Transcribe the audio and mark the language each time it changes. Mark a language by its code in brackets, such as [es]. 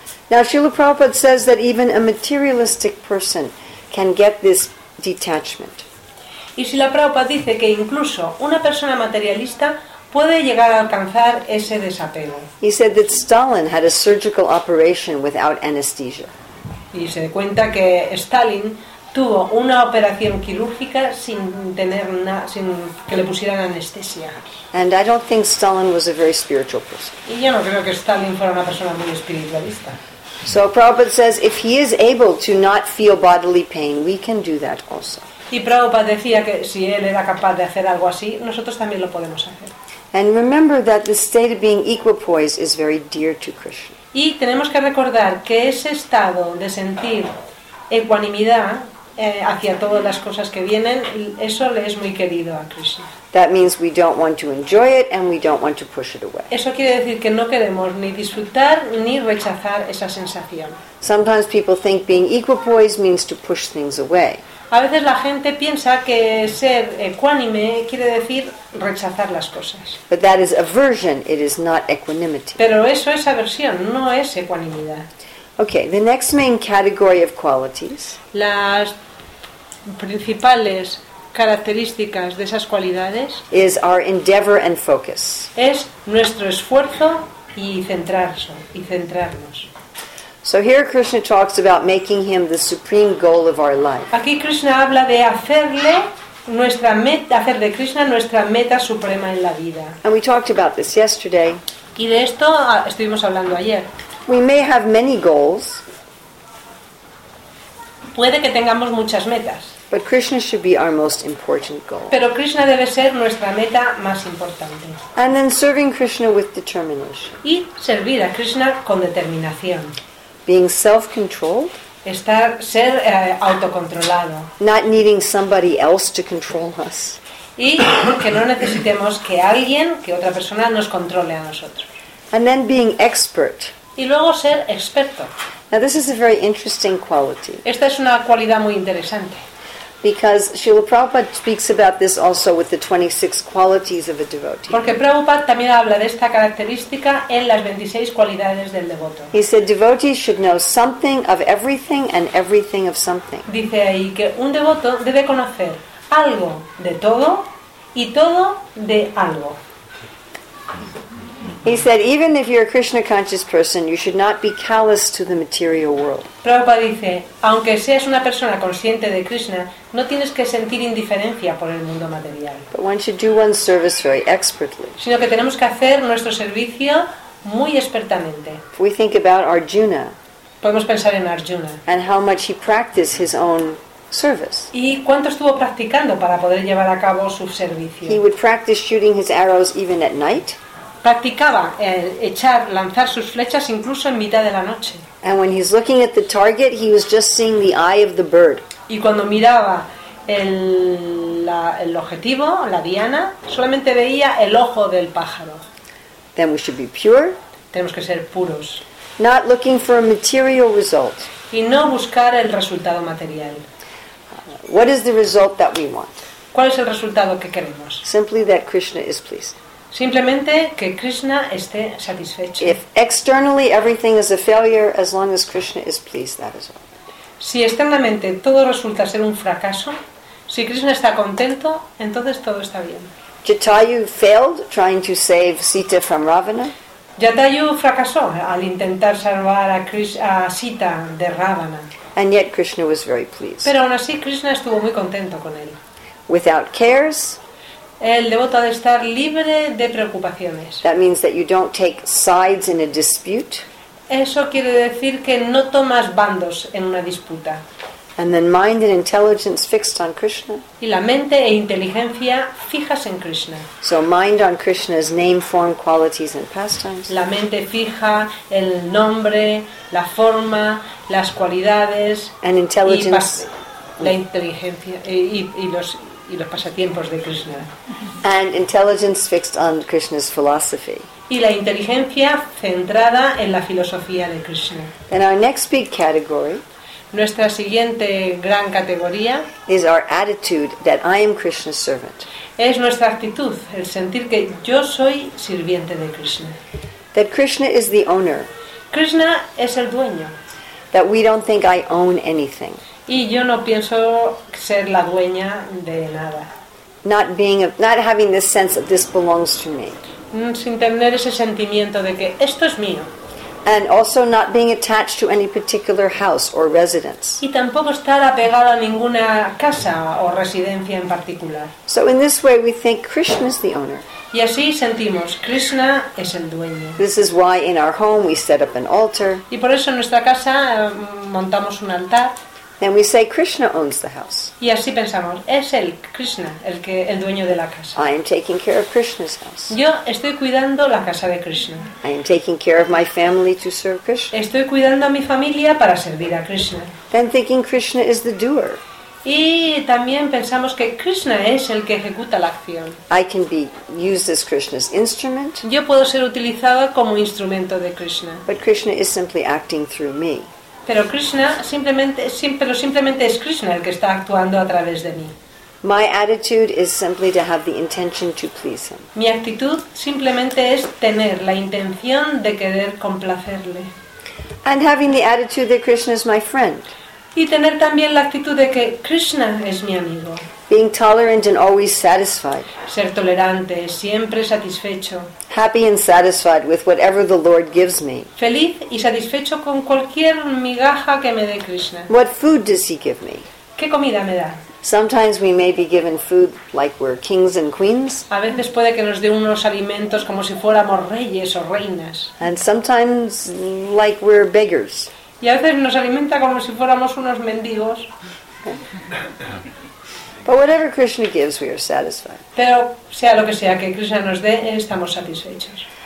[en] Now Srila Prabhupada says that even a materialistic person can get this detachment. [es] Y Srila Prabhupada dice que incluso una persona materialista puede llegar a alcanzar ese desapego. [en] He said that Stalin had a surgical operation without anesthesia. [es] Y se cuenta que Stalin tuvo una operación quirúrgica sin que le pusieran anestesia. [en] And I don't think Stalin was a very spiritual person. [es] Y yo no creo que Stalin fuera una persona muy espiritualista. [en] So Prabhupada says, if he is able to not feel bodily pain, we can do that also. [es] Y Prabhupada decía que si él era capaz de hacer algo así, nosotros también lo podemos hacer. [en] And remember that the state of being equipoise is very dear to Krishna. [es] Y tenemos que recordar que ese estado de sentir ecuanimidad hacia todas las cosas que vienen, eso le es muy querido a Krishna. [en] That means we don't want to enjoy it and we don't want to push it away. [es] Eso quiere decir que no queremos ni disfrutar ni rechazar esa sensación. [en] Sometimes people think being equipoise means to push things away. [es] A veces la gente piensa que ser ecuánime quiere decir rechazar las cosas. [en] But that is aversion, it is not equanimity. [es] Pero eso es aversión, no es ecuanimidad. [en] Okay, the next main category of qualities. [es] Las principales características de esas cualidades [en] is our endeavor and focus. [es] Es nuestro esfuerzo y centrarnos. [en] So here Krishna talks about making him the supreme goal of our life. [es] Aquí Krishna habla de hacer de Krishna nuestra meta suprema en la vida. [en] And we talked about this yesterday. [es] Y de esto estuvimos hablando ayer. [en] We may have many goals. [es] Puede que tengamos muchas metas. [en] But Krishna should be our most important goal. [es] Pero Krishna debe ser nuestra meta más importante. [en] And then serving Krishna with determination. [es] Y servir a Krishna con determinación. [en] Being self-controlled. [es] Ser autocontrolado. [en] Not needing somebody else to control us. [es] Y que no necesitemos que alguien, que otra persona, nos controle a nosotros. [en] And then being expert. [es] Y luego ser experto. [en] Now this is a very interesting quality. [es] Esta es una cualidad muy interesante. [en] Because Srila Prabhupada speaks about this also with the 26 qualities of a devotee. [es] Porque Prabhupada también habla de esta característica en las 26 cualidades del devoto. [en] He said devotees should know something of everything and everything of something. [es] Dice ahí que un devoto debe conocer algo de todo y todo de algo. [en] He said, even if you're a Krishna conscious person, you should not be callous to the material world. [es] Prabhupada dice, aunque seas una persona consciente de Krishna, no tienes que sentir indiferencia por el mundo material. [en] But one should do one's service very expertly. [es] Sino que tenemos que hacer nuestro servicio muy expertamente. [en] If we think about Arjuna. [es] Podemos pensar en Arjuna. [en] And how much he practiced his own service. [es] ¿Y cuánto estuvo practicando para poder llevar a cabo su servicio? [en] He would practice shooting his arrows even at night. [es] Practicaba el echar, lanzar sus flechas incluso en mitad de la noche. [en] And when he's looking at the target, he was just seeing the eye of the bird. [es] Y cuando miraba el objetivo, la diana, solamente veía el ojo del pájaro. [en] Then we should be pure. [es] Tenemos que ser puros. [en] Not looking for a material result. [es] Y no buscar el resultado material. [en] What is the result that we want? [es] ¿Cuál es el resultado que queremos? [en] Simply that Krishna is pleased. [es] Simplemente que Krishna esté satisfecho. [en] If externally everything is a failure, as long as Krishna is pleased, that is all. [es] Si externamente todo resulta ser un fracaso, si Krishna está contento, entonces todo está bien. [en] Jatayu failed trying to save Sita from Ravana. [es] Jatayu fracasó al intentar salvar a Sita de Ravana. [en] And yet Krishna was very pleased. [es] Pero aún así Krishna estuvo muy contento con él. [en] Without cares. [es] El devoto ha de estar libre de preocupaciones. [en] That means that you don't take sides in a dispute. [es] Eso quiere decir que no tomas bandos en una disputa. [en] And then mind and intelligence fixed on Krishna. [es] Y la mente e inteligencia fijas en Krishna. [en] So mind on Krishna's name, form, qualities and pastimes. [es] La mente fija el nombre, la forma, las cualidades [en] and intelligence. [es] Y los pasatiempos de Krishna. [en] And intelligence fixed on Krishna's philosophy. [es] Y la inteligencia centrada en la filosofía de Krishna. [en] And our next big category. [es] Nuestra siguiente gran categoría. [en] Is our attitude that I am Krishna's servant. [es] Es nuestra actitud, el sentir que yo soy sirviente de Krishna. [en] That Krishna is the owner. [es] Krishna es el dueño. [en] That we don't think I own anything. [es] Y yo no pienso ser la dueña de nada. [en] Not having this sense that this belongs to me. [es] Sin tener ese sentimiento de que esto es mío. [en] And also not being attached to any particular house or residence. [es] Y tampoco estar apegado a ninguna casa o residencia en particular. [en] So in this way we think Krishna is the owner. [es] Y así sentimos, Krishna es el dueño. [en] This is why in our home we set up an altar. [es] Y por eso en nuestra casa montamos un altar. [en] Then we say Krishna owns the house. [es] Y así pensamos, es el Krishna el dueño de la casa. [en] I am taking care of Krishna's house. [es] Yo estoy cuidando la casa de Krishna. [en] I am taking care of my family to serve Krishna. [es] Estoy cuidando a mi familia para servir a Krishna. [en] Then thinking Krishna is the doer. [es] Y también pensamos que Krishna es el que ejecuta la acción. [en] I can be used as Krishna's instrument. [es] Yo puedo ser utilizada como instrumento de Krishna. [en] But Krishna is simply acting through me. [es] Pero Krishna simplemente es Krishna el que está actuando a través de mí. [en] My attitude is simply to have the intention to please him. [es] Mi actitud simplemente es tener la intención de querer complacerle. [en] And having the attitude that Krishna is my friend. [es] Y tener también la actitud de que Krishna es mi amigo. [en] Being tolerant and always satisfied. [es] Ser tolerante, siempre satisfecho. [en] Happy and satisfied with whatever the Lord gives me. [es] Feliz y satisfecho con cualquier migaja que me dé Krishna. [en] What food does he give me? [es] ¿Qué comida me da? [en] Sometimes we may be given food like we're kings and queens. [es] A veces puede que nos dé unos alimentos como si fuéramos reyes o reinas. [en] And sometimes like we're beggars. [es] Y a veces nos alimenta como si fuéramos unos mendigos. [en] But whatever Krishna gives, we are satisfied. [es] Pero sea lo que sea que Krishna nos dé, estamos satisfechos.